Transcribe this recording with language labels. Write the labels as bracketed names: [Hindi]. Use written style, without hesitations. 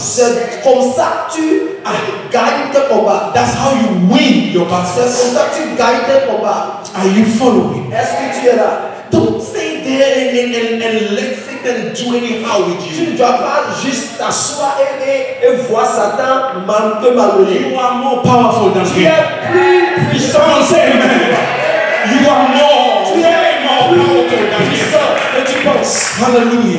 [French] C'est comme ça que tu gagnes tes combats. [English] That's how you win your battles. [French] C'est comme ça que tu gagnes tes combats. [English] Are you following? [French] Est-ce que tu es là? [English] Don't stay there and let Satan do anyhow with you. [French] Tu ne dois pas juste t'asseoir et voir Satan mal te malmener. [English] You are more powerful than him. [French] Tu es plus puissant. [English] Say amen. You are more, [French] tu es [English] more powerful than him.